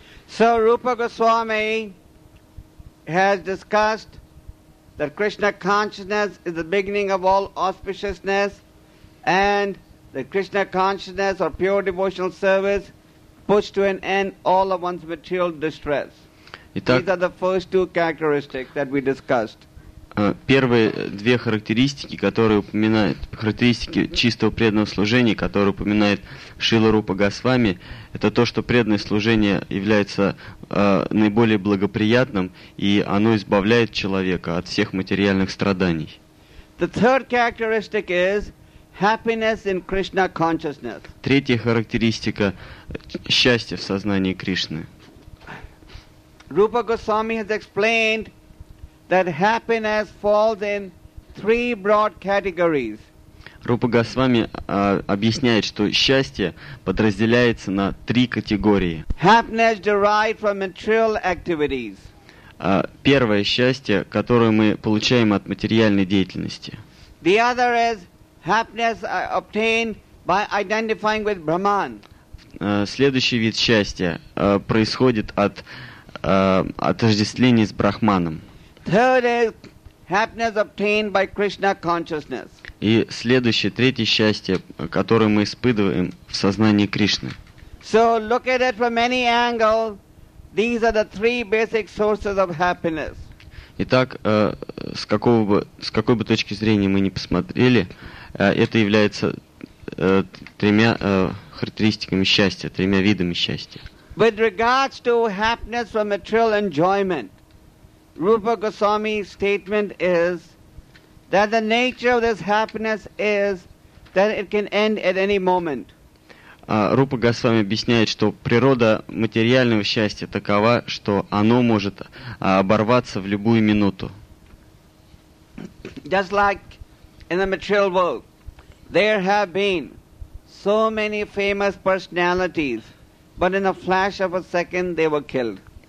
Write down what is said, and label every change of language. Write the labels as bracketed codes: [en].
[en] So Rupa Goswami has discussed that Krishna consciousness is the beginning of all auspiciousness, and that Krishna consciousness or pure devotional service puts to an end all of one's material distress. [ru] Итак, [en] these are the first two characteristics that we discussed. [ru] Первые две характеристики, которые упоминают, характеристики чистого преданного служения, которые упоминает Шрила Рупа Госвами, это то, что преданное служение является наиболее благоприятным, и оно избавляет человека от всех материальных страданий. [en] The third characteristic is happiness in Krishna consciousness. [ru] Третья характеристика – счастье в сознании Кришны. [en] Rupa Goswami has explained that happiness falls in three broad categories. [ru] Рупа Госвами объясняет, что счастье подразделяется на три категории. [en] Happiness derived from material activities. [ru] Первое счастье, которое мы получаем от материальной деятельности. [en] The other is happiness obtained by identifying with Brahman. [ru] Следующий вид счастья происходит от отождествления с Брахманом. [en] Third is happiness obtained by Krishna consciousness. [ru] И следующее, третье счастье, которое мы испытываем в сознании Кришны. [en] So look at it from any angle. These are the three basic sources of happiness. [ru] Итак, с какой бы точки зрения мы ни посмотрели, это является тремя характеристиками счастья, тремя видами счастья. [en] With regards to happiness from material enjoyment, Rupa Goswami's statement is that the nature of this happiness is that it can end at any moment. [ru] Рупа Госвами объясняет, что природа материального счастья такова, что оно может оборваться в любую минуту. [en] Just like in the material world, there have been so many famous personalities, but in a flash of a second they were killed.